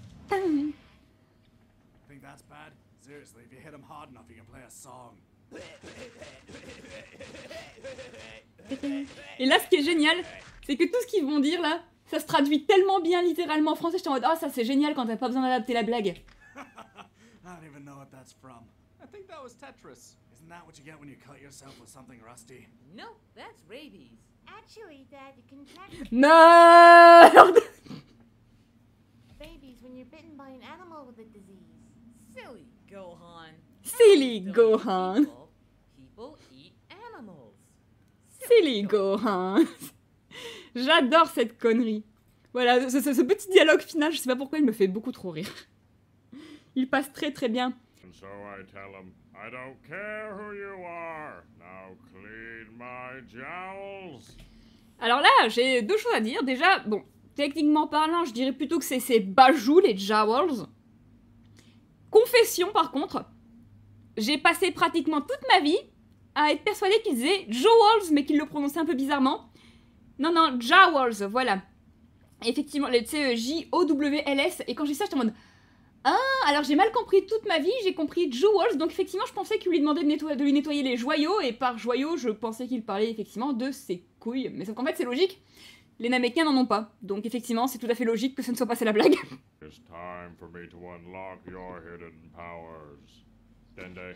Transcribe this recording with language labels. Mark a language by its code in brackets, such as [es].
[fr] Et là, ce qui est génial, c'est que tout ce qu'ils vont dire là, ça se traduit tellement bien littéralement en français, j'étais en mode « Oh, ça c'est génial quand t'as pas besoin d'adapter la blague. [en] » I think that was Tetris. Isn't that what you get when you cut yourself with something rusty? No, that's rabies. Actually, Dad, you can catch. No. Rabies when you're bitten by an animal with a disease. Silly Gohan. Silly Gohan. People eat animals. Silly Gohan. [fr] J'adore cette connerie. Voilà, ce petit dialogue final, je sais pas pourquoi il me fait beaucoup trop rire. Il passe très très bien. [en] And so I tell him, I don't care who you are, now clean my jowls. [fr] Alors là, j'ai deux choses à dire. Déjà, bon, techniquement parlant, je dirais plutôt que c'est ses bajoux, les jowls. Confession, par contre, j'ai passé pratiquement toute ma vie à être persuadée qu'ils disaient jowls, mais qu'ils le prononçaient un peu bizarrement. Non, non, jowls, voilà. Effectivement, tu sais, J-O-W-L-S, et quand j'ai ça, j'étais en mode... Ah, alors j'ai mal compris toute ma vie, j'ai compris jewels, donc effectivement je pensais qu'il lui demandait de lui nettoyer les joyaux, et par joyaux je pensais qu'il parlait effectivement de ses couilles, mais sauf qu'en fait c'est logique, les Namekiens n'en ont pas, donc effectivement c'est tout à fait logique que ça ne soit pas c'est la blague. [en] It's time for me to unlock your hidden powers, Dende.